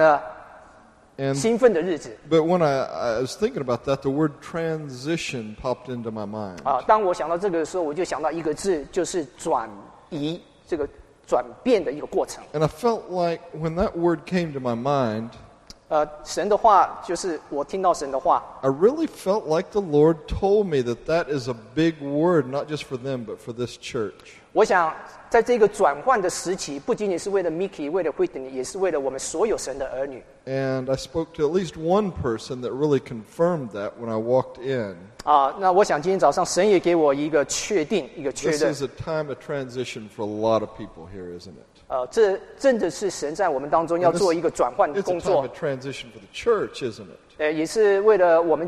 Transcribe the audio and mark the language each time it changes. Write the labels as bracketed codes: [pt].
[zh] 这是一个非常喜乐，而且非常充满了兴奋的日子。 [en] But when I was thinking about that, the word transition popped into my mind. [zh] 当我想到这个的时候，我就想到一个字，就是转移，这个转变的一个过程。 [en] And I felt like when that word came to my mind, [zh] 神的话就是我听到神的话。 [en] I really felt like the Lord told me that that is a big word, not just for them, but for this church. [zh] 我想在这个转换的时期，不仅仅是为了Mickey、为了Whitney，也是为了我们所有神的儿女。 [en] And I spoke to at least one person that really confirmed that when I walked in. [zh] 那我想今天早上神也给我一个确定，一个确认。 [en] This is a time of transition for a lot of people here, isn't it? [zh] 这真的是神在我们当中要做一个转换工作。 [en] It's a time of transition for the church, isn't it?